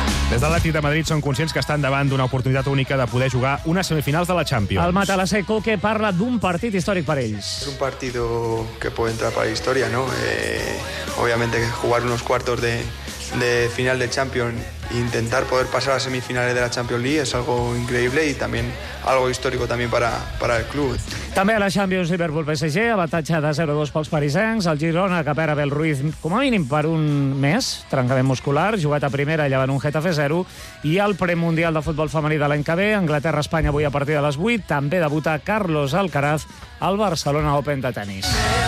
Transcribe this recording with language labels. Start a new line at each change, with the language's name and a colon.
Catalan: Des de l'Atlètic de Madrid són conscients que estan davant d'una oportunitat única de poder jugar unes semifinals de la Champions. El Matalassec, Coque, parla d'un partit històric per ells. És un partit que pot entrar per la història, no?
Spanish: Obviamente, jugar unos cuartos de final de Champions e intentar poder pasar a semifinales de la Champions League es algo increíble y también algo histórico también para el club.
Catalan: També a la Champions, Liverpool PSG, avantatge de 0-2 pels parisencs, el Girona que perd Abel Ruiz com a mínim per un mes, trencament muscular, jugat a primera llevant un Getafe 0, i el premundial de futbol femení de l'any que ve, Anglaterra-Espanya avui a partir de les 8, també debuta Carlos Alcaraz al Barcelona Open de tenis.